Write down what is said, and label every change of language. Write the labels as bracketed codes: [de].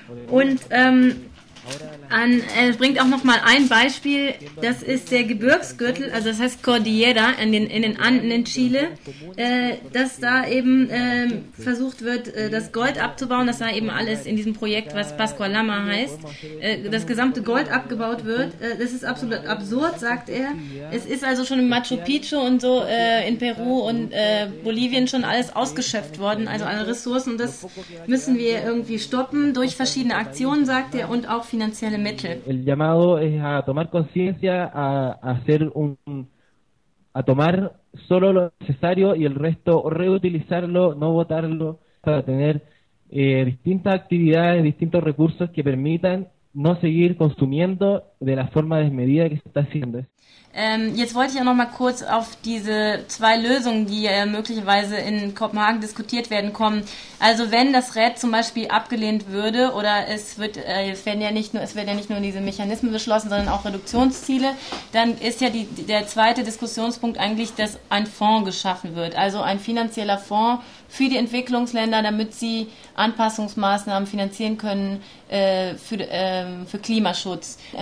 [de] Und er bringt auch noch mal ein Beispiel, das ist der Gebirgsgürtel, also das heißt Cordillera in den Anden in Chile, dass da eben versucht wird, das Gold abzubauen, das sei eben alles in diesem Projekt, was Pascualama heißt, das gesamte Gold abgebaut wird. Das ist absolut absurd, sagt er. Es ist also schon in Machu Picchu und so in Peru und Bolivien schon alles ausgeschöpft worden, also alle Ressourcen, und das müssen wir irgendwie stoppen durch verschiedene Aktionen, sagt er, und auch finanzielle Mittel. [es] El llamado es a tomar conciencia, a tomar solo lo necesario y el resto reutilizarlo, no botarlo, para tener distintas actividades, distintos recursos que permitan no seguir consumiendo de la forma desmedida que se está haciendo. [de] Jetzt wollte ich auch noch mal kurz auf diese zwei Lösungen, die möglicherweise in Kopenhagen diskutiert werden, kommen. Also wenn das Rät zum Beispiel abgelehnt würde, oder es werden ja nicht nur diese Mechanismen beschlossen, sondern auch Reduktionsziele, dann ist ja der zweite Diskussionspunkt eigentlich, dass ein Fonds geschaffen wird, also ein finanzieller Fonds für die Entwicklungsländer, damit sie Anpassungsmaßnahmen finanzieren können für Klimaschutz.